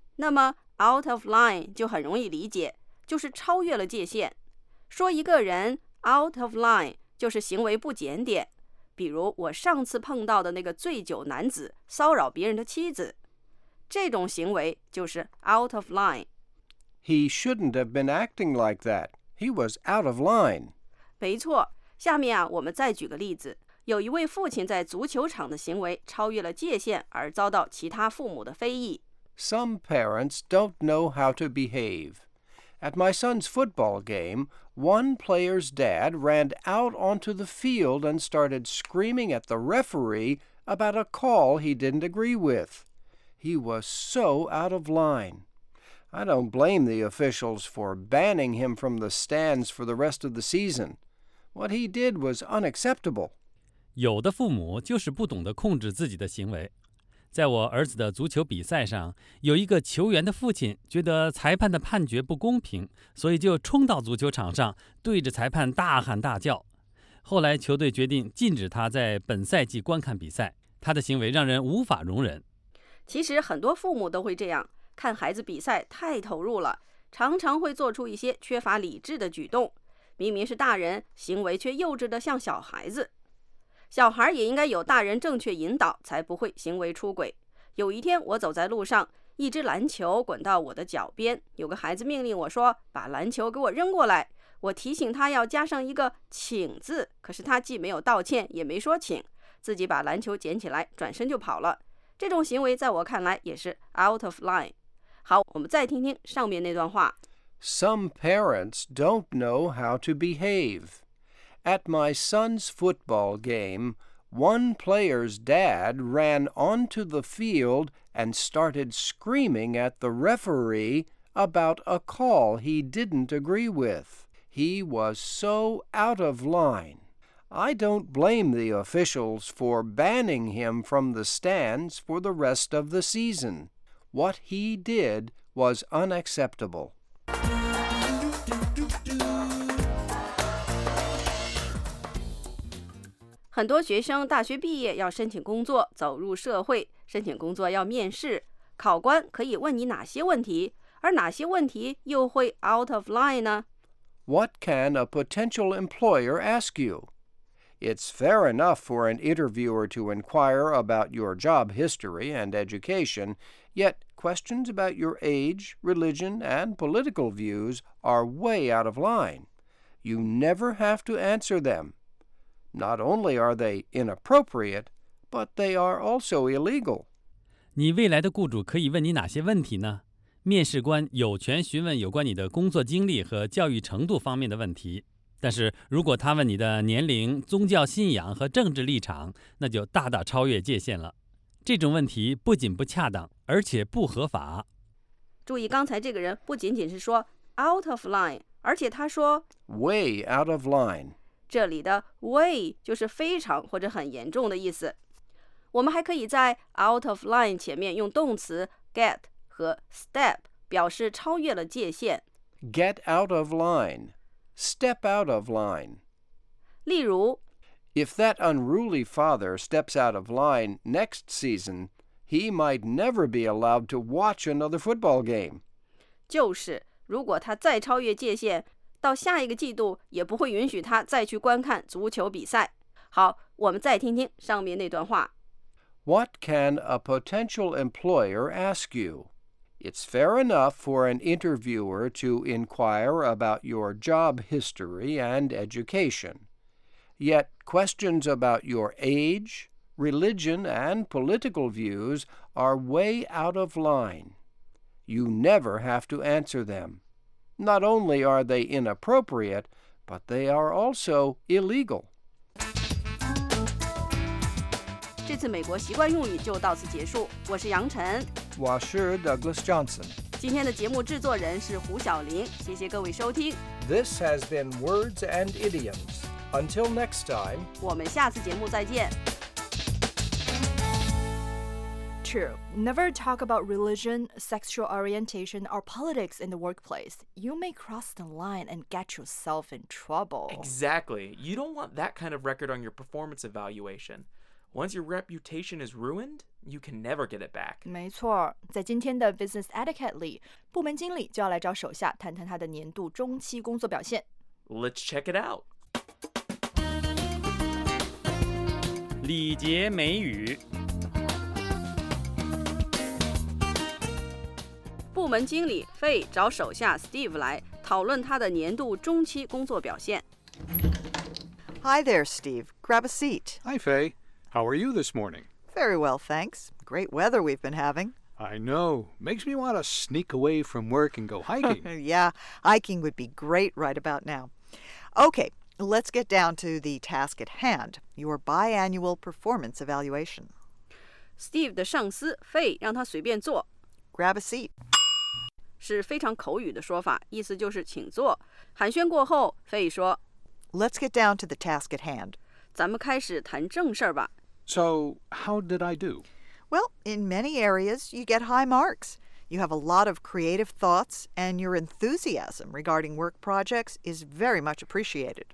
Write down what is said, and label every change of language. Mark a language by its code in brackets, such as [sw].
[zh] 那么 [en] out of line [zh] 就很容易理解，就是超越了界线。说一个人 [en] out of line [zh] 就是行为不检点。比如我上次碰到的那个醉酒男子骚扰别人的妻子。这种行为就是 [en] out of line. He shouldn't have been acting like that. He was out of line. 没错，下面啊，我们再举个例子。有一位父亲在足球场的行为超越了界限而遭到其他父母的非议。 Some parents don't know how to behave. At my son's football game, one player's dad ran out onto the field and started screaming at the referee about a call he didn't agree with. He was so out of line. I don't blame the officials for banning him from the stands for the rest of the season. What he did was unacceptable. [zh] 有的父母就是不懂得控制自己的行为。在我儿子的足球比赛上，有一个球员的父亲觉得裁判的判决不公平，所以就冲到足球场上，对着裁判大喊大叫。后来球队决定禁止他在本赛季观看比赛，他的行为让人无法容忍。其实很多父母都会这样，看孩子比赛太投入了，常常会做出一些缺乏理智的举动。明明是大人，行为却幼稚的像小孩子。小孩也应该有大人正确引导，才不会行为出轨。有一天我走在路上，一只篮球滚到我的脚边，有个孩子命令我说，把篮球给我扔过来，我提醒他要加上一个请字，可是他既没有道歉也没说请，自己把篮球捡起来转身就跑了。这种行为在我看来也是 [en] out of line。 [zh] 好，我们再听听上面那段话。 [en] Some parents don't know how to behave. At my son's football game, one player's dad ran onto the field and started screaming at the referee about a call he didn't agree with. He was so out of line. I don't blame the officials for banning him from the stands for the rest of the season. What he did was unacceptable. [zh] 很多学生大学毕业要申请工作，走入社会，申请工作要面试，考官可以问你哪些问题，而哪些问题又会 [en] out of line [zh] 呢？ [en] What can a potential employer ask you? It's fair enough for an interviewer to inquire about your job history and education, yet questions about your age, religion, and political views are way out of line. You never have to answer them. Not only are they inappropriate, but they are also illegal. [zh] 你未来的雇主可以问你哪些问题呢？面试官有权询问有关你的工作经历和教育程度方面的问题，但是如果他问你的年龄、宗教信仰和政治立场，那就大大超越界限了。这种问题不仅不恰当，而且不合法。注意，刚才这个人不仅仅是说 [en] out of line， [zh] 而且他说 [en] way out of line。 [zh] 这里的 way 就是非常或者很严重的意思。我们还可以在 [en] out of line [zh] 前面用动词 get 和 step 表示超越了界限。 [en] Get out of line. Step out of line. [zh] 例如 [en] If that unruly father steps out of line next season, he might never be allowed to watch another football game. [zh] 就是如果他再超越界限，到下一个季度也不会允许他再去观看足球比赛。好，我们再听听上面那段话。 [en] What can a potential employer ask you? It's fair enough for an interviewer to inquire about your job history and education. Yet questions about your age, religion, and political views are way out of line. You never have to answer them. Not only are they inappropriate, but they are also illegal. [zh] 这次美国习惯用语就到此结束。我是杨晨，我是 Douglas Johnson。今天的节目制作人是胡晓玲。谢谢各位收听。 [en] This has been Words and Idioms. Until next time. [zh] 我们下次节目再见。 [en] True. Never talk about religion, sexual orientation, or politics in the workplace. You may cross the line and get yourself in trouble. Exactly. You don't want that kind of record on your performance evaluation. Once your reputation is ruined, you can never get it back. [zh] 没错，在今天的 [en] Business Etiquette [zh] 里，部门经理就要来找手下谈谈他的年度中期工作表现。 [en] Let's check it out. [zh] 礼节美语。部门经理费找手下 Steve 来讨论他的年度中期工作表现。 [en] Hi there, Steve. Grab a seat. Hi, Faye. How are you this morning? Very well, thanks. Great weather we've been having. I know. Makes me want to sneak away from work and go hiking. Yeah, hiking would be great right about now. Okay, let's get down to the task at hand, your biannual performance evaluation. [zh] Steve 的上司费让他随便坐。 [en] Grab a seat. [zh] 是非常口语的说法，意思就是请坐。寒暄过后，费说 [en] Let's get down to the task at hand. [zh] 咱们开始谈正事吧。 [en] So, how did I do? Well, in many areas, you get high marks. You have a lot of creative thoughts, and your enthusiasm regarding work projects is very much appreciated.